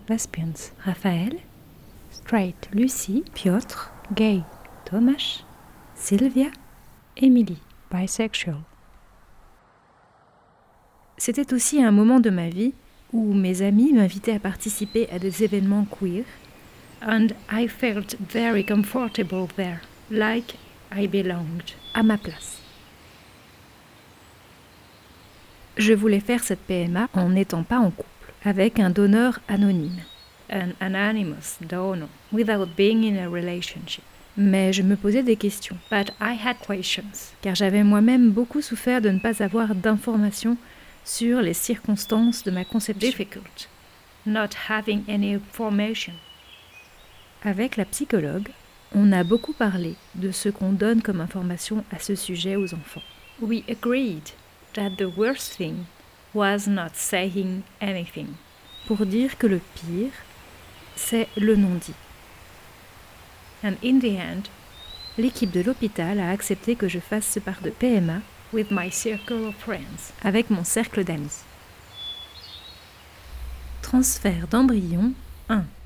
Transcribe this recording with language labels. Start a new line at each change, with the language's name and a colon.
English: Lesbians. Raphaël. Straight. Lucie. Piotr. Gay. Tomáš. Sylvia. Emily. Bisexual.
French: C'était aussi un moment de ma vie où mes amis m'invitaient à participer à des événements queer.
English: And I felt very comfortable there, like I belonged.
French: À ma place. Je voulais faire cette PMA en n'étant pas en couple, avec un donneur anonyme.
English: An anonymous donor, without being in a relationship.
French: Mais je me posais des questions.
English: But I had questions.
French: Car j'avais moi-même beaucoup souffert de ne pas avoir d'informations sur les circonstances de ma conception.
English: Difficult. Not having any information.
French: Avec la psychologue, On a beaucoup parlé de ce qu'on donne comme information à ce sujet aux enfants.
English: We agreed that the worst thing was not saying anything.
French: Pour dire que le pire, c'est le non-dit.
English: And in the end,
French: l'équipe de l'hôpital a accepté que je fasse ce part de PMA
English: with my circle of friends.
French: Avec mon cercle d'amis. Transfert d'embryon 1.